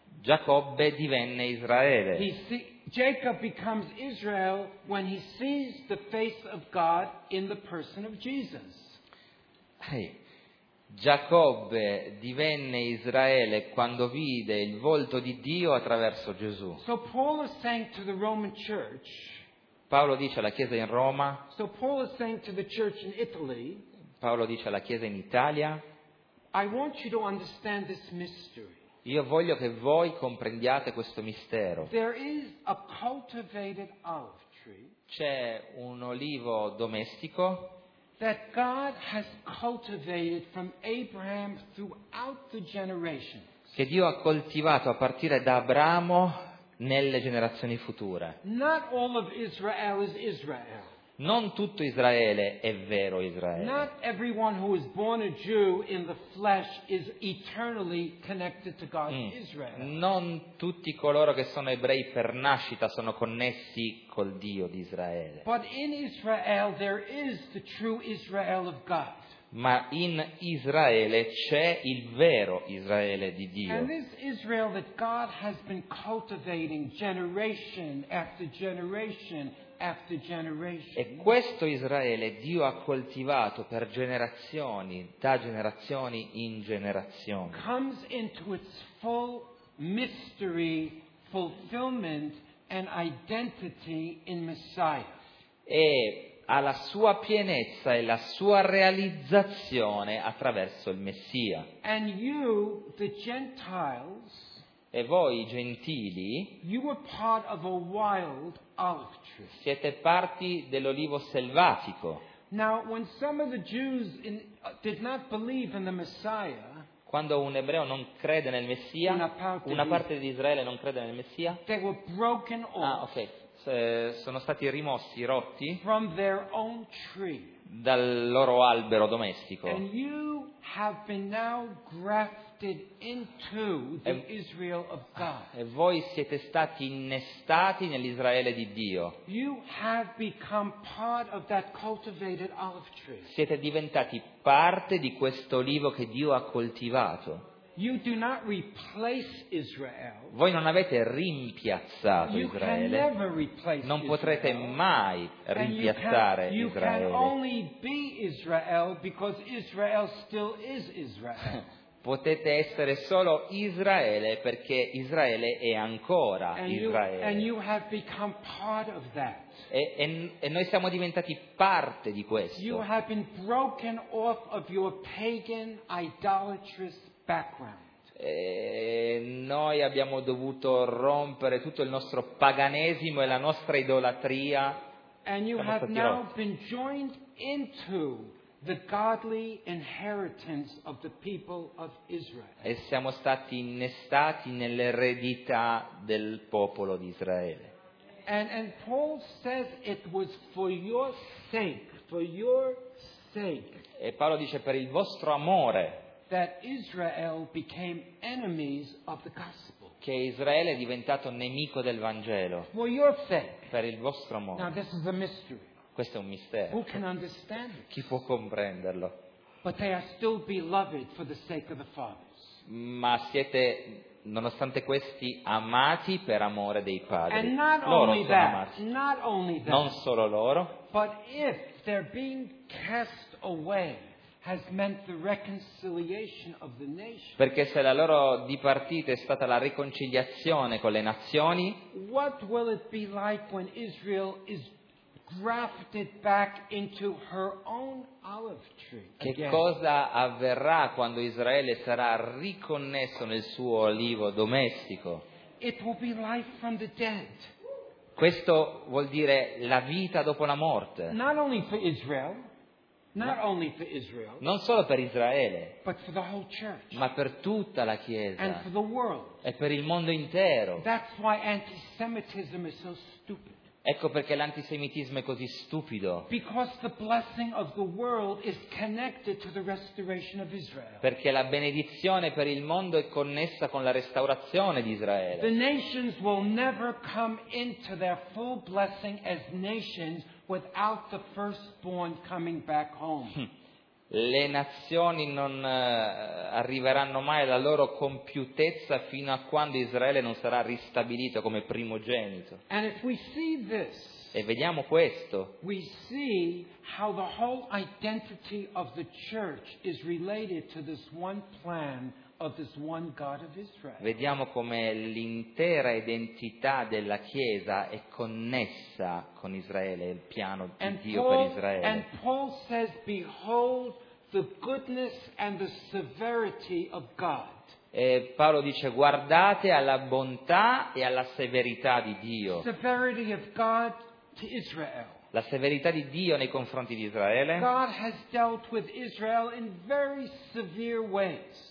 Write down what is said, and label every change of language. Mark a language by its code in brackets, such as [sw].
[it] Giacobbe divenne Israele. [en] Jacob becomes Israel when he sees the face of God in the person of Jesus. [it] Giacobbe divenne Israele quando vide il volto di Dio attraverso Gesù. [en] So Paul is saying to the Roman church. [it] Paolo dice alla Chiesa in Roma. [en] So Paul is saying to the church in Italy. [it] Paolo dice alla Chiesa in Italia. [en] I want you to understand this mystery. [it] Io voglio che voi comprendiate questo mistero. [en] There is a cultivated olive tree. [it] C'è un olivo domestico. [en] That God has cultivated from Abraham throughout the generations. [it] Che Dio ha coltivato a partire da Abramo nelle generazioni future. [en] Not all of Israel is Israel. [it] Non tutto Israele è vero Israele. [en] Not everyone who is born a Jew in the flesh is eternally connected to God's Israel. [it] Non tutti coloro che sono ebrei per nascita sono connessi col Dio di Israele. [en] But in Israel there is the true Israel of God. [it] Ma in Israele c'è il vero Israele di Dio. [en] And this Israel that God has been cultivating generation after generation. [it] E questo Israele Dio ha coltivato per generazioni, da generazioni in generazioni. [en] Comes into its full mystery, fulfillment and identity in Messiah. [it] E ha la sua pienezza e la sua realizzazione attraverso il Messia. [en] And you, the Gentiles, [it] e voi gentili, [en] you were part of a wild olive tree. [it] Siete parti dell'olivo selvatico. [en] Now, when some of the Jews did not believe in the Messiah, [it] quando un ebreo non crede nel Messia, una parte di Israele non crede nel Messia, [en] they were broken off. Ah, ok. [it] Sono stati rimossi, rotti, [en] from their own tree. [it] Dal loro albero domestico. [en] And you have been now grafted into the Israel of God. [it] E voi siete stati innestati nell'Israele di Dio. [en] You have become part of that cultivated olive tree. [it] Siete diventati parte di questo olivo che Dio ha coltivato. [en] You do not replace Israel. [it] Voi non avete rimpiazzato [en] you [it] Israele. [en] Can never replace [it] non potrete [en] Israel. [it] Mai rimpiazzare [en] you can, [it] Israele. [en] You can only be Israel because Israel still is Israel. [it] Potete essere solo Israele perché Israele è ancora Israele. [en] And you have become part of that. [it] E noi siamo diventati parte di questo. [en] You have been broken off of your pagan idolatrous background. [it] E noi abbiamo dovuto rompere tutto il nostro paganesimo e la nostra idolatria. [en] And you have now been joined into the godly inheritance of the people of Israel. [it] E siamo stati innestati nell'eredità del popolo di Israele. [en] And Paul says it was for your sake, for your sake. [it] E Paolo dice per il vostro amore. [en] that Israel became enemies of the gospel. [it] Che Israele è diventato nemico del Vangelo. [en] For your faith. [it] Per il vostro amore. [en] Now this is a mystery. [it] Questo è un mistero. [en] Who can understand it? [it] Chi può comprenderlo? [en] But they are still beloved for the sake of the fathers. [it] Ma siete, nonostante questi, amati per amore dei padri. [en] And not [it] loro [en] only [it] sono [en] that, [it] amati. [en] Not only that, [it] non solo loro. [en] But if they're being cast away. Has meant the reconciliation of the nation. [it] Perché se la loro dipartita è stata la riconciliazione con le nazioni, [en] what will it be like when Israel is grafted back into her own olive tree? [it] Che cosa avverrà quando Israele sarà riconnesso nel suo olivo domestico? [en] It will be life from the dead. [it] Questo vuol dire la vita dopo la morte. [en] Not only for Israel. Not only for Israel, [it] non solo per Israele, [en] but for the whole church, [it] ma per tutta la Chiesa [en] and for the world. [it] E per il mondo intero. [en] That's why antisemitism is so stupid. [it] Ecco perché l'antisemitismo è così stupido. [en] Because the blessing of the world is connected to the restoration of Israel. [it] Perché la benedizione per il mondo è connessa con la restaurazione di Israele. [en] The nations will never come into their full blessing as nations without the firstborn coming back home. [it] Le nazioni non arriveranno mai alla loro compiutezza fino a quando Israele non sarà ristabilito come primogenito. [en] And if we see this, [it] e vediamo questo, [en] we see how the whole identity of the church is related to this one plan of this one God of Israel. [it] Vediamo come l'intera identità della Chiesa è connessa con Israele, il piano di [en] and [it] Dio [en] Paul, [it] per Israele. [en] And Paul says, behold the goodness and the severity of God. [it] E Paolo dice: guardate alla bontà e alla severità di Dio. [en] Severity of God to Israel. [it] La severità di Dio nei confronti di Israele. [en] God has dealt with Israel in very severe ways.